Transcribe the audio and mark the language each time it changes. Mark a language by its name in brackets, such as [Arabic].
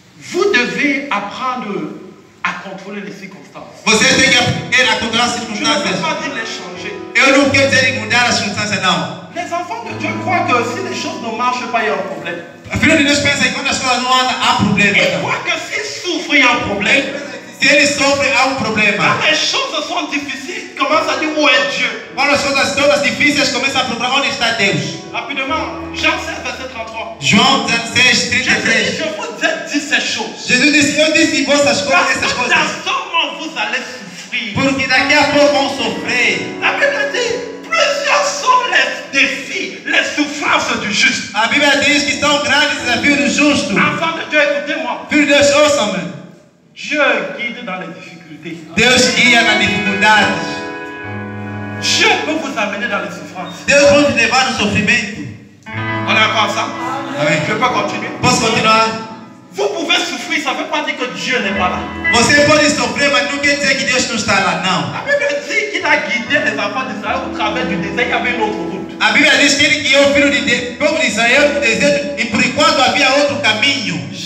[French] Vous devez apprendre à contrôler les circonstances. [Portuguese] Vocês têm que aprender a controlar as circunstâncias. [French] Je ne peux pas dire les changer. [Portuguese] Eu não quero dizer mudar as circunstâncias, não. [French] Les enfants de Dieu croient que si les choses ne marchent pas, il y a un problème. [Portuguese] A filha de Deus pensa que quando as coisas não andam, há problema. [French] Ils croient que si souffrent, il y a un problème. [Portuguese] Se ele sofre, há problema. Quando as coisas são difíceis, começa a dizer: onde é Deus? Quando as coisas todas difíceis, começa a procurar onde está Deus. Rapidamente, João 16, verset 33. João 16, 33. [French] Je vous ai dit ces choses. [Portuguese] Jesus disse: eu disse em vossas coisas, essas coisas. [French] Somente vous allez souffrir. [Portuguese] Porque daqui a pouco vão sofrer. A Bíblia diz: [French] plusieurs sont les défis, les souffrances du juste. [Portuguese] A Bíblia diz que são grandes os desafios do justo. [French] Enfant de Deus, écoutez-moi. [Portuguese] Filho de Deus, ouça-me. [French] Dieu guide dans les difficultés. [Portuguese] Deus guia nas dificuldades. [French] Dieu peut vous amener dans les souffrances. [Portuguese] Deus pode te levar no sofrimento. [French] On est encore ça? [Portuguese] Amém. [French] Je peux continuer? [Portuguese] Posso continuar? [French] Vous pouvez souffrir, ça ne veut pas dire que Dieu n'est pas là. [Portuguese] Você pode sofrer, mas não quer dizer que Deus não está lá, não. A Bíblia diz que ele [French] a guidé les enfants d'Israël au travers du désert, il y avait une autre route. [Portuguese] A Bíblia diz que ele guiou o filho de povo de Israel no deserto e por enquanto havia outro caminho.